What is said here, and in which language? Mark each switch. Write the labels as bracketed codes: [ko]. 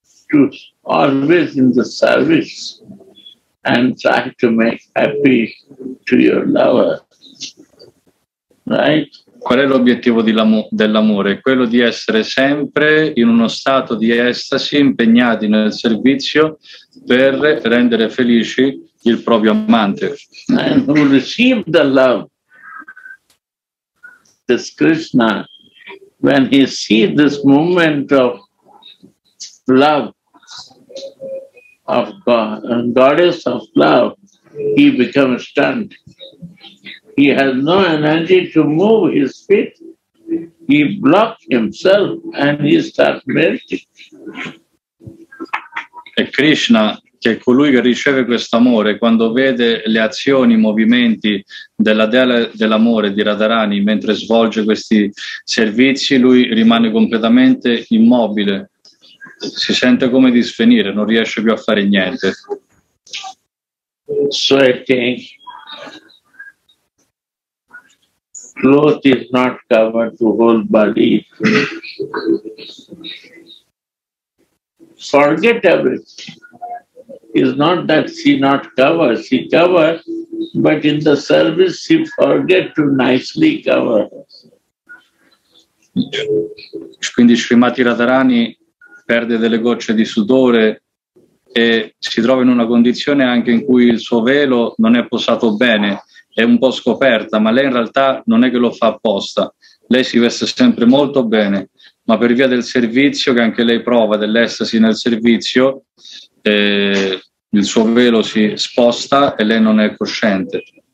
[en] To always in the service and try to make happy to your lover. Right? [it] qual è l'obiettivo dell'amore? Quello di essere sempre in uno stato di estasi, impegnati nel servizio per rendere felici il proprio amante. [en] And to receive the love this Krishna, when he sees this moment of love of God and goddess of love, he becomes stunned. He has no energy to move his feet. He blocks himself and he starts melting. [it] E Krishna, che è colui che riceve questo amore, quando vede le azioni, i movimenti della dea dell'amore di Radharani mentre svolge questi servizi, lui rimane completamente immobile. Si sente come di svenire, non riesce più a fare niente. [en] So I think clothes is not covered to whole body. Forget everything. It's not that she not covers, she covers, but in the service she forget to nicely cover. [it] Quindi Srimati Radharani perde delle gocce di sudore e si trova in una condizione anche in cui il suo velo non è posato bene, è un po' scoperta, ma lei in realtà non è che lo fa apposta. Lei si veste sempre molto bene, ma per via del servizio, che anche lei prova dell'estasi nel servizio, il suo velo si sposta e lei non è cosciente.